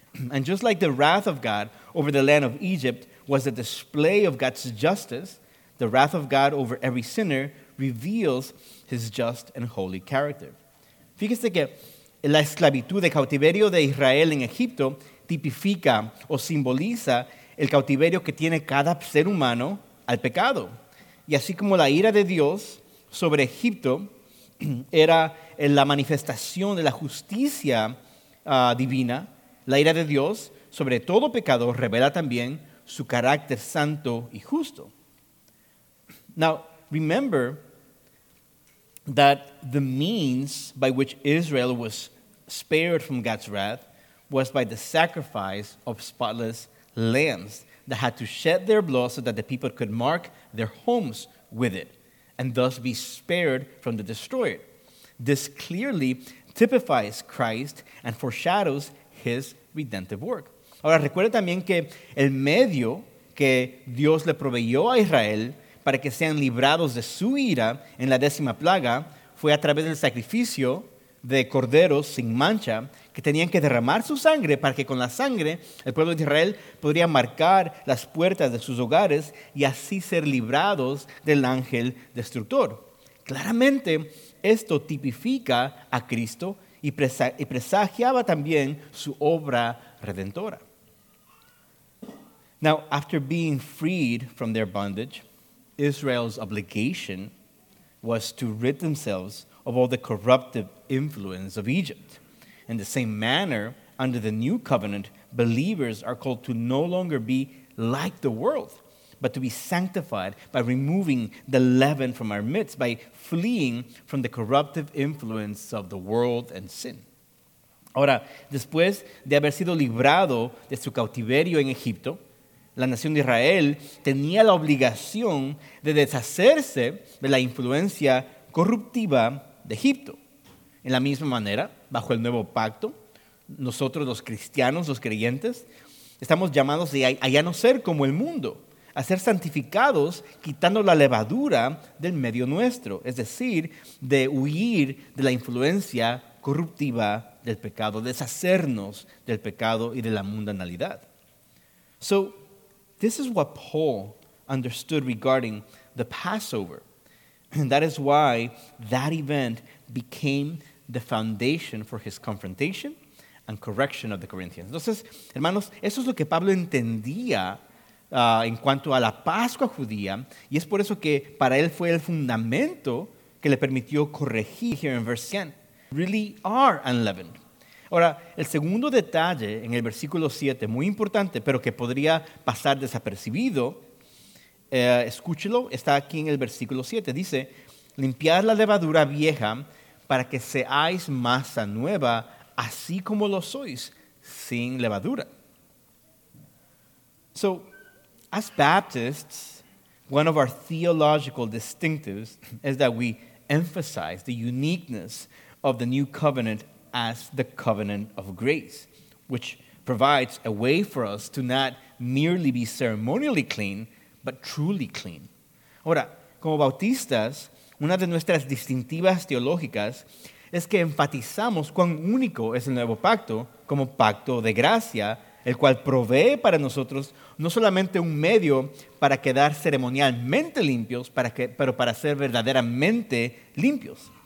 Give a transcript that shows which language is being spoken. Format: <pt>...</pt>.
<en>And just like the wrath of God over the land of Egypt was a display of God's justice, the wrath of God over every sinner reveals his just and holy character.</en> <es>Fíjese que la esclavitud, el cautiverio de Israel en Egipto, tipifica o simboliza el cautiverio que tiene cada ser humano al pecado. Y así como la ira de Dios sobre Egipto era la manifestación de la justicia divina, la ira de Dios sobre todo pecado revela también su carácter santo y justo.</es> <en>Now, remember that the means by which Israel was spared from God's wrath was by the sacrifice of spotless lambs that had to shed their blood so that the people could mark their homes with it and thus be spared from the destroyer. This clearly typifies Christ and foreshadows his redemptive work.</en> <es>Ahora, recuerde también que el medio que Dios le proveyó a Israel para que sean librados de su ira en la décima plaga fue a través del sacrificio de corderos sin mancha que tenían que derramar su sangre para que con la sangre el pueblo de Israel podría marcar las puertas de sus hogares y así ser librados del ángel destructor. Claramente, esto tipifica a Cristo y presagiaba también su obra redentora.</es> <en>Now, after being freed from their bondage, Israel's obligation was to rid themselves of all the corruptive influence of Egypt. In the same manner, under the new covenant, believers are called to no longer be like the world, but to be sanctified by removing the leaven from our midst, by fleeing from the corruptive influence of the world and sin.</en> <es>Ahora, después de haber sido librado de su cautiverio en Egipto, la nación de Israel tenía la obligación de deshacerse de la influencia corruptiva de Egipto. En la misma manera, bajo el nuevo pacto, nosotros los cristianos, los creyentes, estamos llamados a ya no ser como el mundo, a ser santificados quitando la levadura del medio nuestro, es decir, de huir de la influencia corruptiva del pecado, deshacernos del pecado y de la mundanalidad.</es> <en>So, this is what Paul understood regarding the Passover. And that is why that event became the foundation for his confrontation and correction of the Corinthians.</en> <es>Entonces, hermanos, eso es lo que Pablo entendía en cuanto a la Pascua judía, y es por eso que para él fue el fundamento que le permitió corregir</es> <en>here in verse 10. Really are unleavened.</en> <es>Ahora, el segundo detalle en el versículo 7, muy importante, pero que podría pasar desapercibido, escúchelo, está aquí en el versículo 7. Dice, limpiad la levadura vieja para que seáis masa nueva, así como lo sois, sin levadura.</es> <en>So, as Baptists, one of our theological distinctives is that we emphasize the uniqueness of the new covenant as the covenant of grace, which provides a way for us to not merely be ceremonially clean, but truly clean.</en> <es>Ahora, como bautistas, una de nuestras distintivas teológicas es que enfatizamos cuán único es el nuevo pacto como pacto de gracia, el cual provee para nosotros no solamente un medio para quedar ceremonialmente limpios, pero para ser verdaderamente limpios.</es>